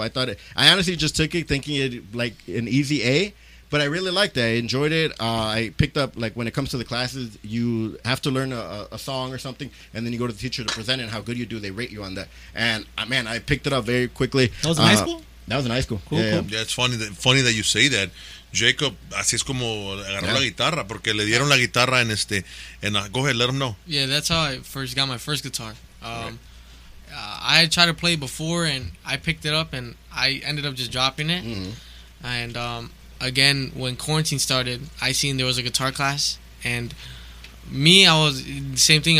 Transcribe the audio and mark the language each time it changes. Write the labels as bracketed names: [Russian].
[English] I honestly just took it thinking it like an easy A, but I really liked it. I enjoyed it. I picked up, like, when it comes to the classes, you have to learn a song or something, and then you go to the teacher to present it, and how good you do, they rate you on that. And man, I picked it up very quickly. That was in high school? That was in high school. Cool. Yeah, it's funny that you say that. [Spanish] Jacob, así es como agarró la guitarra, porque le dieron la guitarra en este. [English] Go ahead, let him know. Yeah, that's how I first got my first guitar. I had tried to play before, and I picked it up, and I ended up just dropping it. Mm-hmm. And again, when quarantine started, I seen there was a guitar class, and me, I was the same thing.